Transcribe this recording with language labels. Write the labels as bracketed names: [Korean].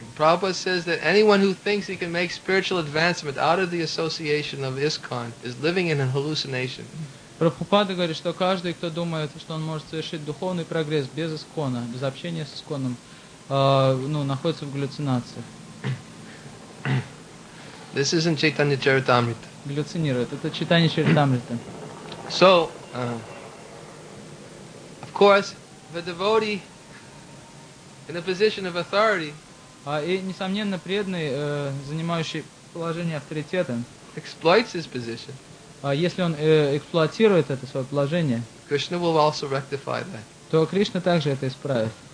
[English] Prabhupada says that anyone who thinks he can make spiritual advancement out of the association of ISKCON is living in a hallucination. [Russian] Прабхупада говорит, что каждый, кто думает, что он может совершить духовный прогресс без ИСКОНа, без общения с ИСКОНом, находится в галлюцинациях. [English] This isn't Chaitanya Charitamrita. [Russian] Галлюцинирует. Это Чайтанья Чаритамрита. [English] So, of course, the devotee in a position of authority, [Russian] и, несомненно, преданный, занимающий положение авторитета, [English] exploits his position. [Russian] Если он эксплуатирует это свое положение, [English] Krishna will also rectify that. [Russian] То Кришна также это исправит.